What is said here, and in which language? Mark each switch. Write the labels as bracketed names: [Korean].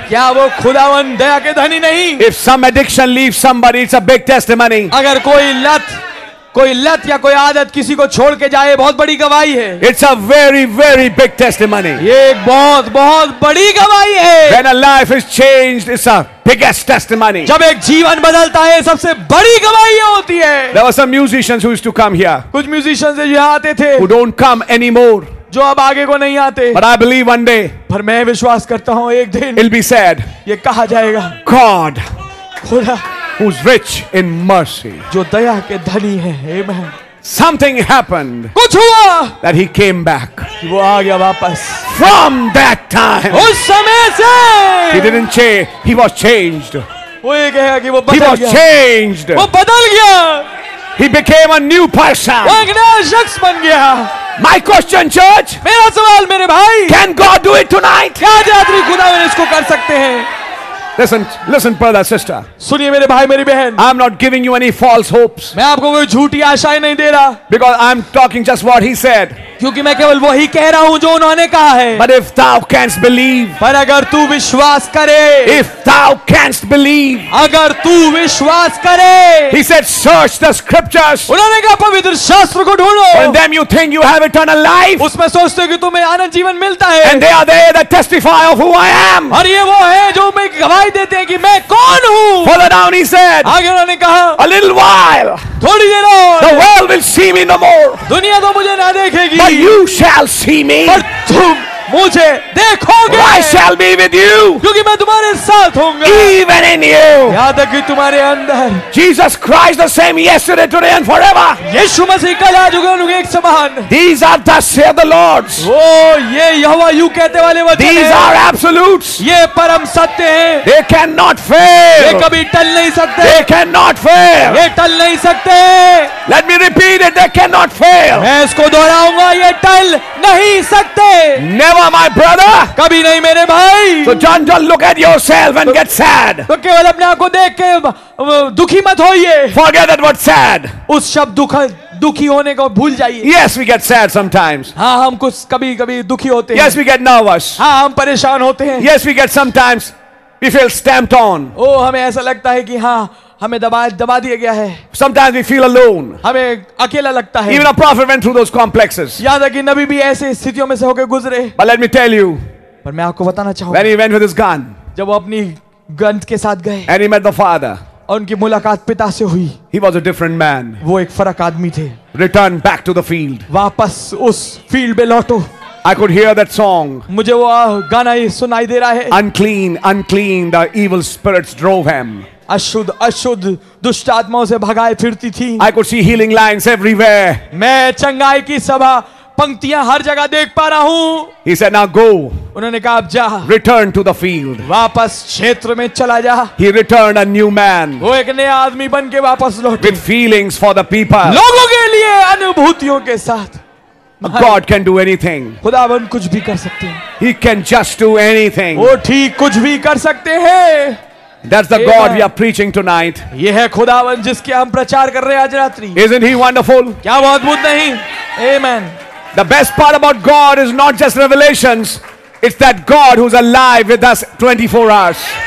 [Hindi] क्या वो खुदावन दया के धनी नहीं? [English] If some addiction leaves somebody, it's a big testimony. [Hindi] अगर कोई लत या कोई आदत किसी को छोड़ के जाए बहुत बड़ी गवाही है. [English] It's a very very big testimony. [Hindi] ये एक बहुत बहुत बड़ी गवाही है. [English] When a life is changed, it's a biggest testimony. [Hindi] जब एक जीवन बदलता है सबसे बड़ी गवाही होती है. [English] There were some musicians who used to come here. [Hindi] कुछ म्यूजिशियंस यहाँ आते थे. [English] Who don't come anymore. [Hindi] जो अब आगे को नहीं आते. [English] But I believe one day. [Hindi] पर मैं विश्वास करता हूँ एक दिन. [English] It'll be said. [Hindi] ये कहा जाएगा. [English] God. [Hindi] खुदा. [English] Who's rich in mercy. [Hindi] जो दया के धनी है. Amen. [English] Something happened. [Hindi] कुछ हुआ. [English] That he came back. [Hindi] वो आ गया वापस. [English] From that time. [Hindi] उस समय से. [English] He didn't change. He was changed. [Hindi] वो ये कहा कि वो बदल गया. [English] He was changed. [Hindi] वो बदल गया. [English] He became a new person. [Hindi] वो एक नया शख्स बन गया. [English] My question, church. [Hindi] मेरा सवाल मेरे भाई. [English] Can God do it tonight? [Hindi] क्या यात्री खुदा में इसको कर सकते हैं? [English] Listen, brother, sister. [Hindi] सुनिए मेरे भाई मेरी बहन. [English] I am not giving you any false hopes. [Hindi] मैं आपको कोई झूठी आशाएं नहीं दे रहा. [English] Because I am talking just what he said. [Hindi] क्योंकि मैं केवल वही कह रहा हूँ जो उन्होंने कहा है. [English] But if thou canst believe. [Hindi] पर अगर तू विश्वास करे. [English] If thou canst believe. [Hindi] अगर तू विश्वास करे. [English] He said, search the scriptures. [Hindi] उन्होंने कहा पवित्र शास्त्र को ढूंढो. [English] And then you think you have eternal life. [Hindi] उसमें सोचते हो कि तुम्हें आनंद जीवन मिलता है. [English] And they are there that testify of who I am. [Hindi] और ये वो है जो मैं गवाही देते हैं कि मैं कौन हूँ. [English] Further down he said. [Hindi] आगे उन्होंने कहा. [English] A little while. [Hindi] थोड़ी देर और. [English] The world will see me no more. [Hindi] दुनिया तो मुझे ना देखेगी. [English] But you shall see me. [Hindi] पर तुम मुझे देखोगे. [English] I shall be with you. [Hindi] क्योंकि मैं तुम्हारे साथ होऊंगा. [English] Even in you. [Hindi] यहाँ तक कि तुम्हारे अंदर. [English] Jesus Christ the same yesterday, today and forever. [Hindi] यीशु मसीह कल आज और कल एक समान. [English] These are the say the Lord's. [Hindi] वो ये यहोवा यू कहते वाले वचन. [English] These are absolutes. [Hindi] ये परम सत्य हैं. [English] They cannot fail. [Hindi] ये कभी टल नहीं सकते. [English] They cannot fail. [Hindi] ये टल नहीं सकते. [English] Let me repeat it. They cannot fail. [Hindi] मैं इसको दोहराऊंगा. ये टल नहीं सकते. [English] Never, my brother. [Hindi] कभी नहीं मेरे भाई. [English] So don't look at yourself and get sad. [Hindi] तो केवल अपने आप को देख के दुखी मत होइए. [English] Forget that word sad. [Hindi] उस शब्द दुखी होने को भूल जाइए. [English] Yes, we get sad sometimes. [Hindi] हाँ, हम कुछ कभी कभी दुखी होते हैं. [English] Yes, we get nervous. [Hindi] हाँ, हम परेशान होते हैं. [English] Yes, we get sometimes we feel stamped on. [Hindi] Oh, हमें ऐसा लगता है कि हाँ हमें दबा दिया गया है. [English] Sometimes we feel alone. [Hindi] हमें अकेला लगता है. [English] Even a prophet went through those complexes. [Hindi] याद है कि नबी भी ऐसे स्थितियों में से होकर गुजरे. [English] But let me tell you. [Hindi] पर मैं आपको बताना चाहूंगा [English] when he went with his gun [Hindi] जब वो अपनी गंध के साथ गए [English] and he met the father [Hindi] और उनकी मुलाकात पिता से हुई [English] he was a different man [Hindi] वो एक फर्क आदमी थे [English] return back to the field [Hindi] वापस उस फील्ड में लौटो [English] I could hear that song. [Hindi] मुझे वो गाना ही सुनाई दे रहा है. [English] Unclean, unclean, the evil spirits drove him. [Hindi] अशुद्ध, अशुद्ध, दुष्ट आत्माओं से भगाए फिरती थी. [English] I could see healing lines everywhere. [Hindi] मैं चंगाई की सभा पंक्तियां हर जगह देख पा रहा हूँ. [English] He said, "Now go." [Hindi] उन्होंने कहा, अब जा. [English] Return to the field. [Hindi] वापस क्षेत्र में चला जा. [English] He returned a new man. [Hindi] वो एक नया आदमी बन के वापस लौटे. [English] With feelings for the people. [Hindi] लोगों के लिए अनुभूतियों के साथ. [English] God can do anything. [Hindi] खुदावन कुछ भी कर सकते हैं. [English] He can just do anything. [Hindi] वो ठीक कुछ भी कर सकते हैं. [English] That's the God we are preaching tonight. [Hindi] ये है खुदावन जिसके हम प्रचार कर रहे हैं आज रात्रि. [English] Isn't he wonderful? [Hindi] क्या वो अद्भुत नहीं? Amen. [English] The best part about God is not just revelations. It's that God who's alive with us 24 hours.